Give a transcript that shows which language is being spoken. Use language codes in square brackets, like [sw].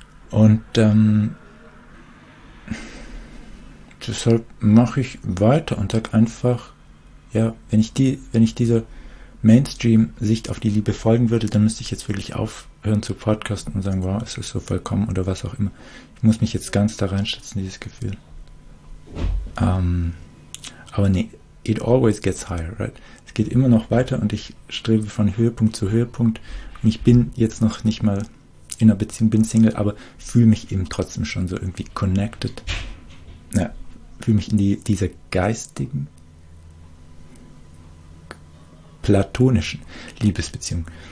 [de] Und deshalb mache ich weiter und sage einfach, ja, wenn ich dieser Mainstream-Sicht auf die Liebe folgen würde, dann müsste ich jetzt wirklich aufhören zu podcasten und sagen, wow, es ist so vollkommen oder was auch immer. Ich muss mich jetzt ganz da reinschätzen, dieses Gefühl. Aber nee, [en] it always gets higher, right? [de] Es geht immer noch weiter und ich strebe von Höhepunkt zu Höhepunkt. Und ich bin jetzt noch nicht mal in einer Beziehung, bin Single, aber fühle mich eben trotzdem schon so irgendwie connected. Ja, fühle mich in dieser geistigen, platonischen Liebesbeziehung.